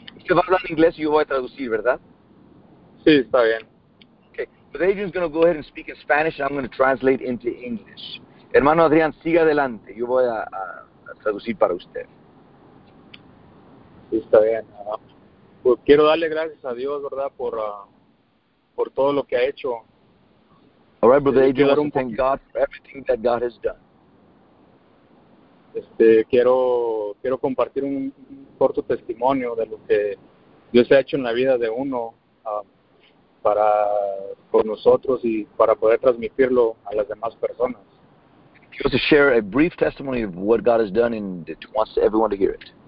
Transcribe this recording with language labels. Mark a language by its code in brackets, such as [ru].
[es] Usted va a hablar inglés y yo voy a traducir, ¿verdad? Sí, está bien. [en] Okay. But Adrian's going to go ahead and speak in Spanish and I'm going to translate into English. [es] Hermano Adrián, siga adelante. Yo voy a traducir para usted. Sí, está bien. Pues quiero darle gracias a Dios, ¿verdad? Por todo lo que ha hecho. [en] All right, brother Adrián, I want to thank God for everything that God has done. [es] Quiero compartir un corto testimonio de lo que Dios ha hecho en la vida de uno para con nosotros y para poder transmitirlo a las demás personas. [en] He wants to share a brief testimony of what God has done and wants everyone to hear it.